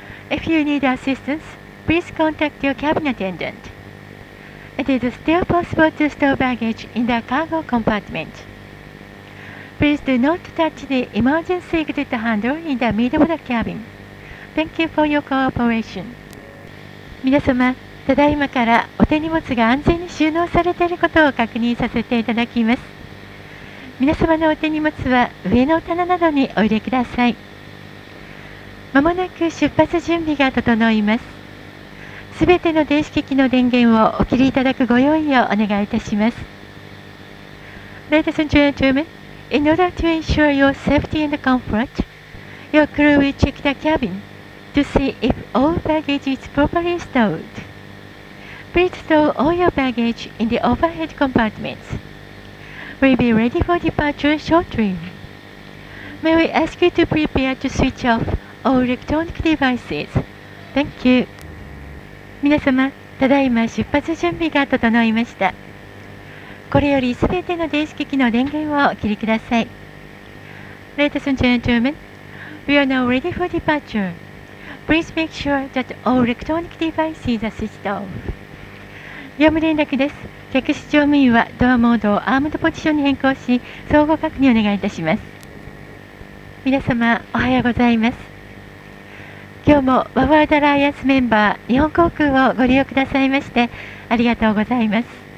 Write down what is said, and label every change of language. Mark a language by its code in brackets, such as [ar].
[en] If you need assistance, please contact your cabin attendant. It is still possible to store baggage in the cargo compartment. Please do not touch the emergency exit handle in the middle of the cabin. Thank you for your cooperation. [ja] 皆様、ただいまからお手荷物が安全に収納されていることを確認させていただきます。皆様のお手荷物は上の棚などにお入れください。まもなく出発準備が整います。すべての電子機器の電源をお切りいただくご用意をお願いいたします。 [en] Ladies and gentlemen, in order to ensure your safety and comfort, your crew will check the cabin to see if all baggage is properly stowed. Please store all your baggage in the overhead compartments. We'll be ready for departure shortly. May we ask you to prepare to switch off all electronic devices. Thank you. [ja] 皆様、ただいま出発準備が整いました。これよりすべての電子機器の電源をお切りください。 [en] Ladies and gentlemen, we are now ready for departure. Please make sure that all electronic devices are switched off. [ja] 業務連絡です。客室乗務員はドアモードをアームドポジションに変更し、相互確認をお願いいたします。皆様、おはようございます。今日もワワードライアンスメンバー日本航空をご利用くださいましてありがとうございます。